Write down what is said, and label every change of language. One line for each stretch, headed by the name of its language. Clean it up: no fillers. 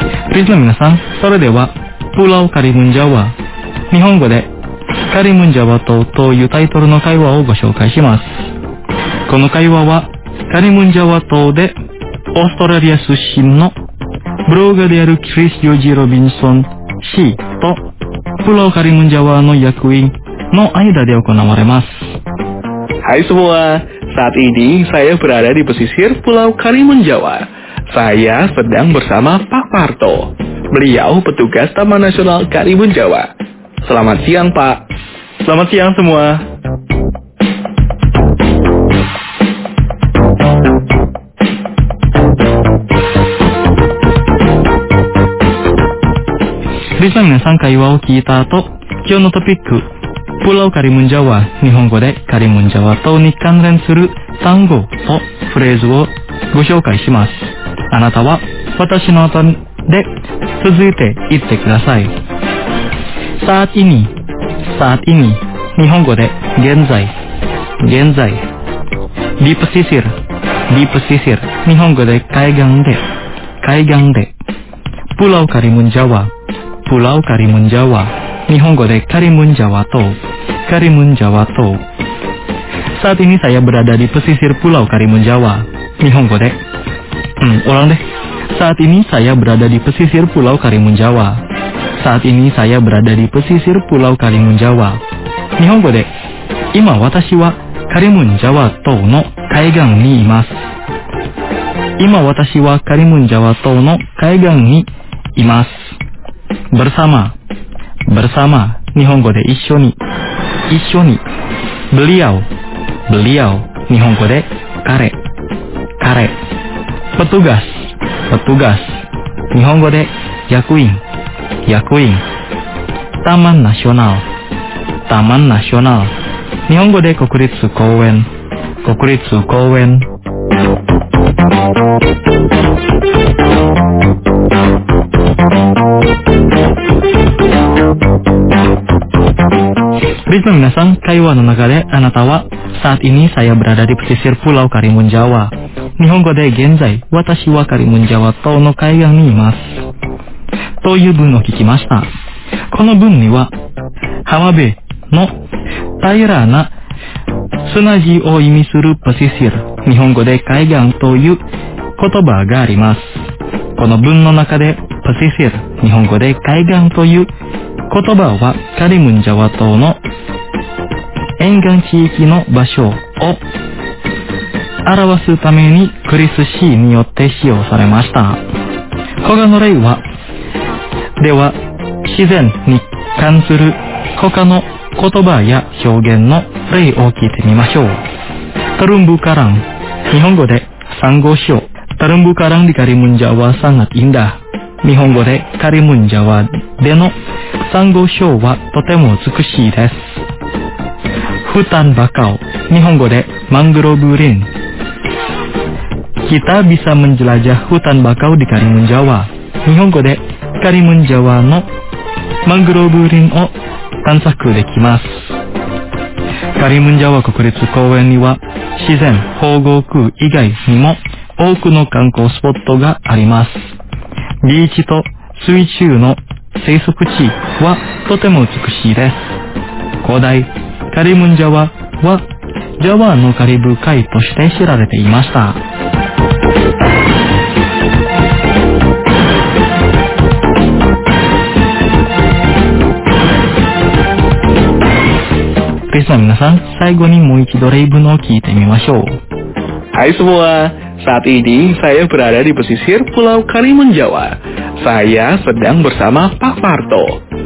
Japanese: クリスの皆さん、それではプラウカリムンジャワ、日本語でカリムンジャワ島というタイトルの会話をご紹介します。この会話はカリムンジャワ島でオーストラリア出身のブロガーであるクリス・ヨジ・ロビンソン氏とプラウカリムンジャワの役員の間で行われます。
Indonesian: Hai semua, saat ini saya berada di pesisir Pulau Karimun Jawa. Saya sedang bersama Pak Parto. Beliau petugas Taman Nasional Karimun Jawa. Selamat siang, Pak. Selamat siang semua.
Japanese: リスナーの皆さん、会話を聞いた後、今日のトピック、プラウカリムンジャワ、日本語でカリムンジャワとに関連する単語とフレーズをご紹介します。あなたは私の後で続いて言ってください。サーティニー、サーティニー、日本語で現在、現在。ディープシシル、ディープシシル、日本語で海岸で、海岸で。プラウカリムンジャワ、プラウカリムンジャワ、日本語でカリムンジャワ島、カリムンジャワ島。
Indonesian: Saat ini saya berada di pesisir Pulau Karimun Jawa.
Japanese: 日本語で、
Indonesian: ulang deh. Saat ini saya berada di pesisir Pulau Karimun Jawa. Saat ini saya berada di pesisir Pulau Karimun Jawa.
Japanese: 日本語で、今私はカリムンジャワ島の海岸にいます。今私はカリムンジャワ島の海岸にいます。 bersama、bersama、日本語で一緒に、一緒に。 beliau、beliau、日本語で彼、彼。 petugas、petugas、日本語で役員、役員。 taman nasional、taman nasional、日本語で国立公園、国立公園。リスナーの皆さん、会話の中であなたは、
Indonesian: Saat ini saya berada di pesisir Pulau Karimun Jawa。
Japanese: 日本語で現在、私はカリムンジャワ島の海岸にいます。という文を聞きました。この文には、浜辺の平らな砂地を意味するパシシル、日本語で海岸という言葉があります。この文の中で、パシシル、日本語で海岸という言葉はカリムンジャワ島の沿岸地域の場所を表すためにクリス氏によって使用されました。他の例は、では自然に関する他の言葉や表現の例を聞いてみましょう。タルンブカラン、日本語でサンゴ礁。
Indonesian: タルンブカランでカリムンジャワはサンガティンダ。
Japanese: 日本語でカリムンジャワでのサンゴ礁はとても美しいです。フタンバカオ、日本語でマングローブリン。
Indonesian: Kita bisa menjelajah hutan bakau di Karimun Jawa.
Japanese: 日本語で Karimun Jawa のマングローブ林を探索できます。 Karimun Jawa 国立公園には自然保護区以外にも多くの観光スポットがあります。ビーチと水中の生息地はとても美しいです。古代Karimun Jawa はジャワのカリブ海として知られていました。は皆さん、最後にもう一度例文を聞いてみましょう。
Indonesian: Hai semua, saat ini saya berada di pesisir Pulau Karimun Jawa. Saya sedang bersama Pak Farto.